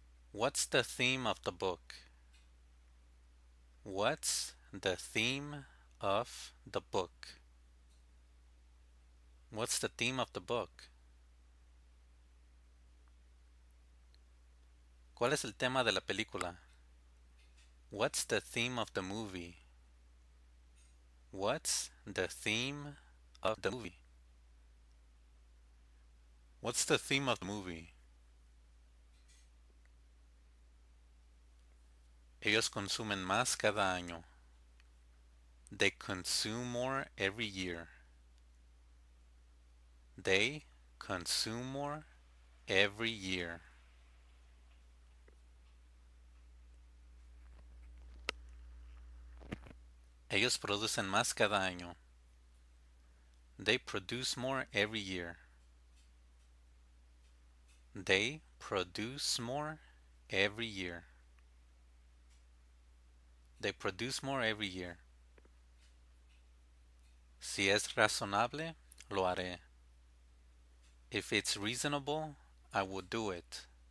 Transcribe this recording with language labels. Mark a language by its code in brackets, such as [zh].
[en] What's the theme of the book? What's the theme of the book? What's the theme of the book? [es] ¿Cuál es el tema de la película? [en] What's the theme of the movie? What's the theme of the movie? What's the theme of the movie? [es] Ellos consumen más cada año. [en] They consume more every year. They consume more every year. [es] Ellos producen más cada año. [en] They produce more every year. They produce more every year. They produce more every year. [es] Si es razonable, lo haré. [en] If it's reasonable, I will do it.